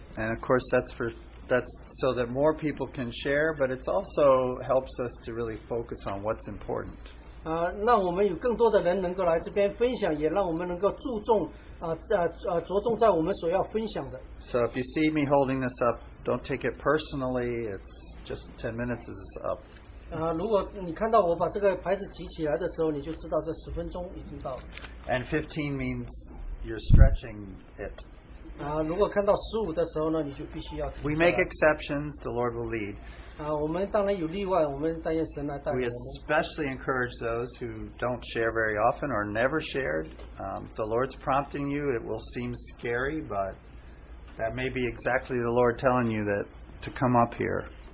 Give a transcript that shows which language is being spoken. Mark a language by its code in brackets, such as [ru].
[en] And of course, that's so that more people can share, but it also helps us to really focus on what's important. [zh] 让我们有更多的人能够来这边分享，也让我们能够着重在我们所要分享的。 [en] So if you see me holding this up, don't take it personally. It's just 10 minutes is up. [zh] 如果你看到我把这个牌子举起来的时候，你就知道这十分钟已经到了。 [en] And 15 means you're stretching it. [zh] 如果看到15的时候呢，你就必须要。 [en] We make exceptions, the Lord will lead. [zh] 我们当然有例外，我们但愿神来带领。 [en] We especially encourage those who don't share very often or never shared. The Lord's prompting you, it will seem scary, but that may be exactly the Lord telling you that to come up here.